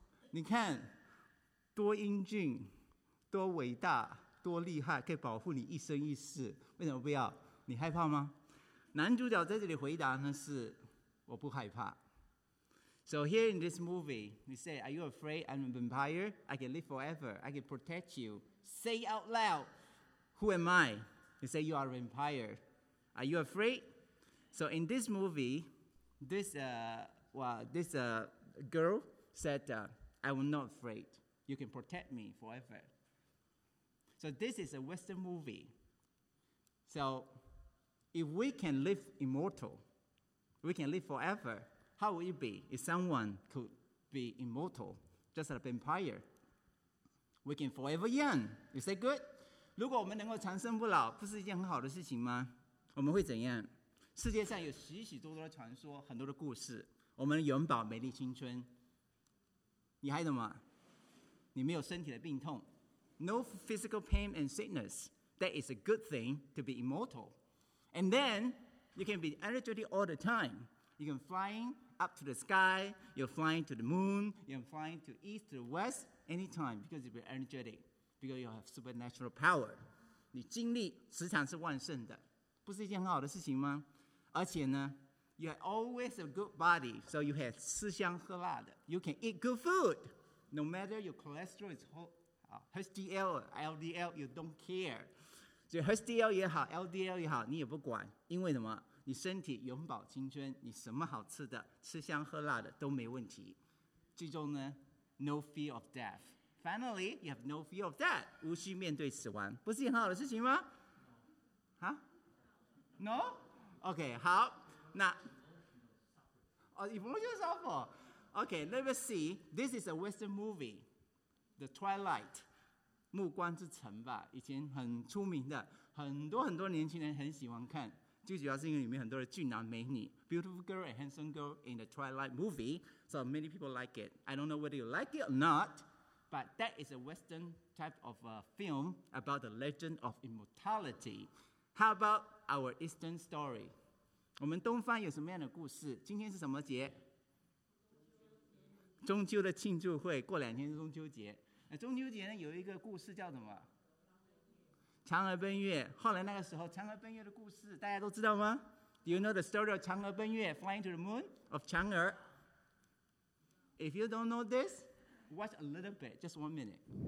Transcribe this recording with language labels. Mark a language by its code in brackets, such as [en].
[zh] 你看，多英俊，多伟大，多厉害，可以保护你一生一世，为什么不要？你害怕吗？男主角在这里回答呢是，我不害怕。 [en] So here in this movie, we say, are you afraid I'm a vampire? I can live forever. I can protect you. Say out loud, who am I? You say, you are a vampire. Are you afraid? So in this movie, this girl said, I am not afraid. You can protect me forever. So this is a Western movie. So if we can live immortal, we can live forever,How would it be if someone could be immortal, just like a vampire? We can forever young. Is that good? [zh] 如果我们能够长生不老，不是一件很好的事情吗？我们会怎样？世界上有许许多多的传说，很多的故事。我们永葆美丽青春。你还什么？你没有身体的病痛。 [en] No physical pain and sickness. That is a good thing to be immortal. And then you can be energetic all the time. You can fly up to the sky, you're flying to the moon, you're flying to east, to the west, anytime, because you're energetic, because you have supernatural power. [zh] 你精力时常是旺盛的，不是一件很好的事情吗？而且呢， [en] you have always a good body, so you have [zh] 吃香喝辣的。 [en] You can eat good food, no matter your cholesterol is HDL or LDL, you don't care. [zh] 所以 HDL 也好 ,LDL 也好，你也不管，因为什么？你身体永葆青春，你什么好吃的，吃香喝辣的都没问题。最终呢 [en] ，no fear of death. Finally, you have no fear of death. [zh] 无需面对死亡，不是很好的事情吗？ [en] 啊 ？No? Okay, 好，那哦 ，emotional suffer. Okay, let me see. This is a Western movie, The Twilight, [zh] 暮光之城吧，以前很出名的，很多很多年轻人很喜欢看。最主要是因为里面很多的俊男美女 [en] Beautiful girl and handsome girl in the Twilight movie So many people like it I don't know whether you like it or not But that is a western type of film About the legend of immortality How about our eastern story? [zh] 我们东方有什么样的故事？今天是什么节？中秋的庆祝会过两天是中秋节中秋节呢有一个故事叫什么？嫦娥奔月，后来那个时候，嫦娥奔月的故事大家都知道吗 [en] ？Do you know the story of 嫦娥奔月 flying to the moon of 嫦娥 ？If you don't know this, watch a little bit, just one minute.